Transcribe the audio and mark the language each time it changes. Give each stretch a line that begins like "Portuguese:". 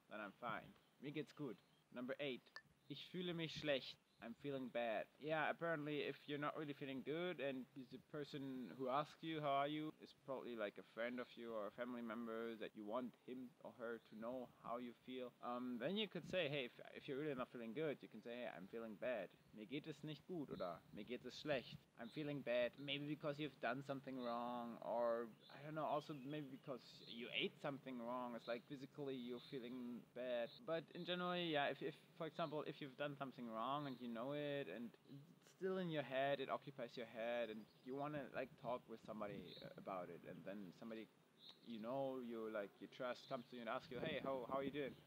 English: Then I'm fine.
German: Mir geht's gut.
English: Number 8.
German: Ich fühle mich schlecht.
English: I'm feeling bad. Yeah, apparently if you're not really feeling good and the person who asks you how are you is probably like a friend of you or a family member that you want him or her to know how you feel, then you could say, hey, if you're really not feeling good, you can say, hey, I'm feeling bad.
German: Mir geht es nicht gut oder mir geht es schlecht.
English: I'm feeling bad. Maybe because you've done something wrong or, I don't know, also maybe because you ate something wrong. It's like physically you're feeling bad. But in general, yeah, if for example, if you've done something wrong and you know it and it's still in your head, it occupies your head and you want to like talk with somebody about it, and then somebody you know, you like, you trust comes to you and asks you, hey, how are you doing?